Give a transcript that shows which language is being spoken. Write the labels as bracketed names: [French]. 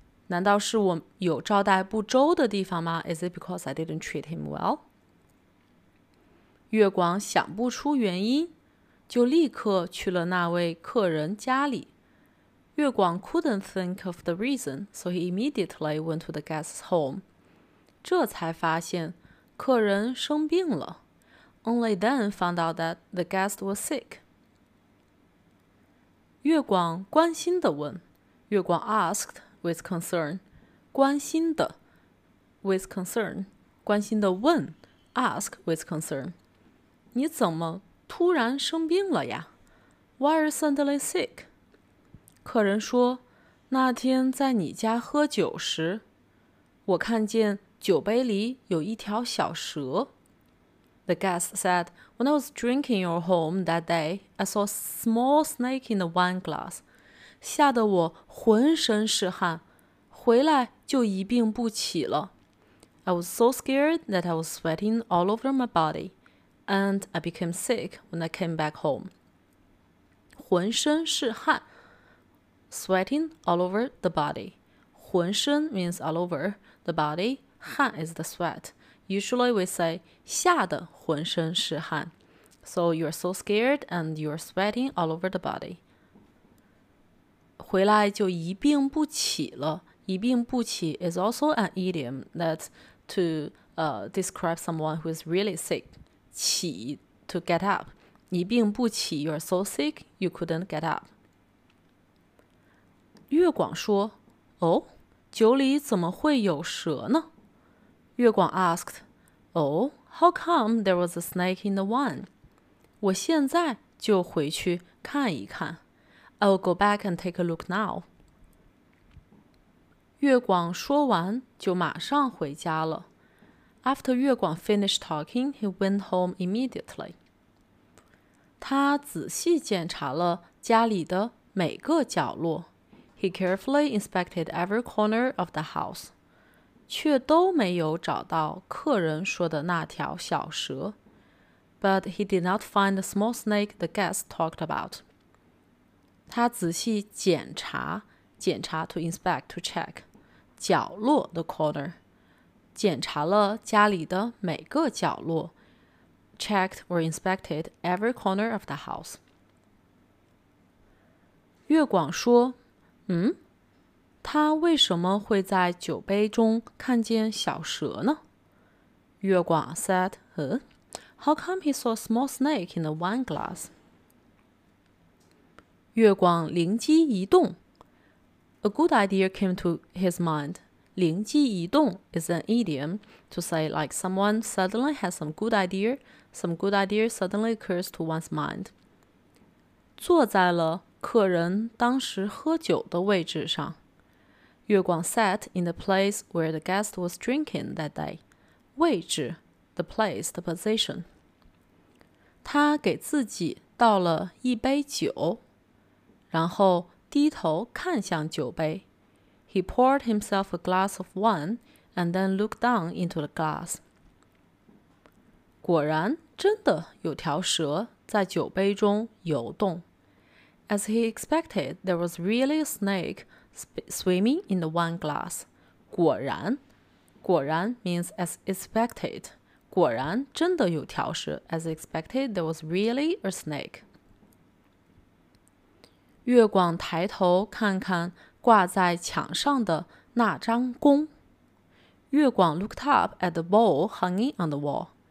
[Chinese] 难道是我有招待不周的地方吗? [English] Is it because I didn't treat him well? [Chinese] 月广想不出原因,就立刻去了那位客人家里。 [English] 月广 couldn't think of the reason, so he immediately went to the guest's home. [Chinese] 这才发现客人生病了。 [English] Only then found out that the guest was sick. [Chinese] 月广关心地问,月广 asked, [English] With concern, [Chinese] 关心的 [English] with concern, [Chinese] 关心的问 [English] ask with concern. [Chinese] 你怎么突然生病了呀? [English] Why are you suddenly sick? [Chinese] 客人说,那天在你家喝酒时,我看见酒杯里有一条小蛇。 [English] The guest said, when I was drinking your home that day, I saw a small snake in the wine glass. [Chinese] 吓得我浑身是汗,回来就一病不起了。 [English] I was so scared that I was sweating all over my body, and I became sick when I came back home. [Chinese] 浑身是汗 [English] Sweating all over the body. 浑身 means all over the body, 汗 is the sweat. Usually we say, [Chinese] 吓得浑身是汗。 [English] So you're so scared and you're sweating all over the body. [Chinese] 回来就一病不起了。 [English] 一病不起 is also an idiom that to describe someone who is really sick. 起 to get up. 一病不起, you're so sick, you couldn't get up. [Chinese] 月广说，哦，酒里怎么会有蛇呢？ [English] 月广 asked, oh, how come there was a snake in the wine? [Chinese] 我现在就回去看一看。 [English] I'll go back and take a look now. [Chinese] 月广说完就马上回家了。 [English] After 月广 finished talking, he went home immediately. [Chinese] 他仔细检查了家里的每个角落。 [English] He carefully inspected every corner of the house. [Chinese] 却都没有找到客人说的那条小蛇。 [English] But he did not find the small snake the guest talked about. [Chinese] 他仔细检查 [English] to inspect, to check, 角落 the corner. [Chinese] 检查了家里的每个角落。 [English] Checked or inspected every corner of the house. [Chinese] 月广说，嗯，他为什么会在酒杯中看见小蛇呢？ [English] 月广 said, How come he saw a small snake in the wine glass? [Chinese] 月广灵机一动。 [English] A good idea came to his mind. 灵机一动 is an idiom to say like someone suddenly has some good idea, some good idea suddenly occurs to one's mind. [Chinese] 坐在了客人当时喝酒的位置上。 [English] 月广 sat in the place where the guest was drinking that day. 位置 the place, the position. [Chinese] 他给自己倒了一杯酒，然后低头看向酒杯。 [English] He poured himself a glass of wine and then looked down into the glass. [Chinese] 果然真的有条蛇在酒杯中游动。 [English] As he expected, there was really a snake swimming in the wine glass. 果然，果然 means as expected. [Chinese] 果然真的有条蛇。 [English] As expected, there was really a snake. [Chinese] 月广抬头看看挂在墙上的那张弓。 [English] 月广 looked up at the bow hanging on the wall.